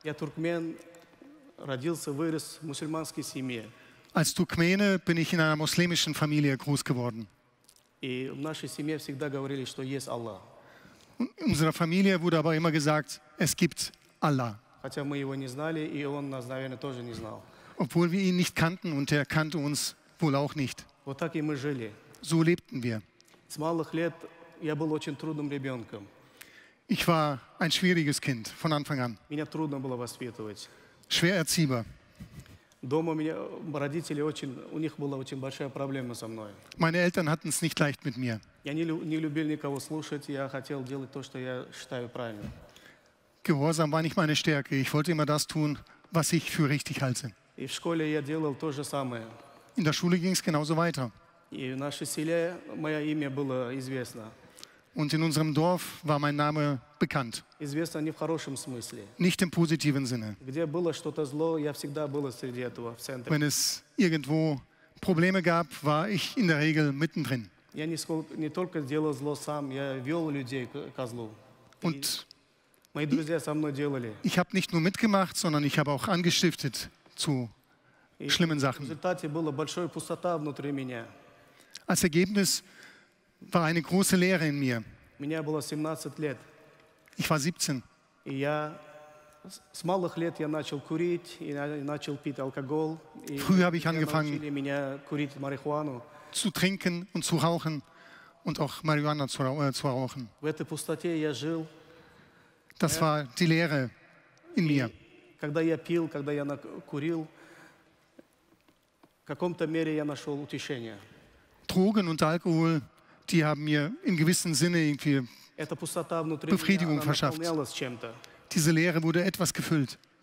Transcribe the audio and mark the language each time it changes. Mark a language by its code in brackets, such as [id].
[ru] Я туркмен, родился, вырос в мусульманской семье. [de] Als Turkmene bin ich in einer muslimischen Familie groß geworden. [ru] И в нашей семье всегда говорили, что есть Аллах. [de] In unserer Familie wurde aber immer gesagt, es gibt Allah. [ru] Хотя мы его не знали, и он нас, наверное, тоже не знал. [de] Obwohl wir ihn nicht kannten und er kannte uns wohl auch nicht. [ru] Вот так и мы жили. [de] So lebten wir. [ru] С малых лет я был очень трудным ребенком. [de] Ich war ein schwieriges Kind von Anfang an. [ru] Меня трудно было воспитывать. [de] Schwer erziehbar. [ru] Дома у меня родители очень, у них была очень большая проблема со мной. [de] Meine Eltern hatten es nicht leicht mit mir. [ru] Я не любил никого слушать, я хотел делать то, что я считаю правильным. [de] Gehorsam war nicht meine Stärke. Ich wollte immer das tun, was ich für richtig halte. [ru] И в школе я делал то же самое. [de] In der Schule ging es genauso weiter. [ru] И в нашей селе мое имя было известно. [de] Und in unserem Dorf war mein Name bekannt. [ru] Известно не в хорошем смысле. [de] Nicht im positiven Sinne. [ru] Где было что-то зло, я всегда был среди этого, в центре. [de] Wenn es irgendwo Probleme gab, war ich in der Regel mittendrin. [ru] Я не только делал зло сам, я вел людей ко злу. [de] Und [ru] мои друзья со мной делали. [de] Ich habe nicht nur mitgemacht, sondern ich habe auch angestiftet zu schlimmen Sachen. [ru] В результате была большая пустота внутри меня. [de] Als Ergebnis war eine große Leere in mir. [ru] Меня было 17 лет. [de] Ich war 17. [ru] И я с малых лет я начал курить и начал пить алкоголь. [de] Früh habe ich angefangen [ru] меня курить марихуану. [de] Zu trinken und zu rauchen und auch Marihuana zu rauchen. [ru] В этой пустоте я жил. [de] Das war die Leere in mir. [ru] Когда я пил, когда я курил, в каком-то мере я нашел утешение. [de] Drogen und Alkohol, die haben mir in gewissem Sinne irgendwie Befriedigung verschafft. Diese Leere wurde etwas gefüllt.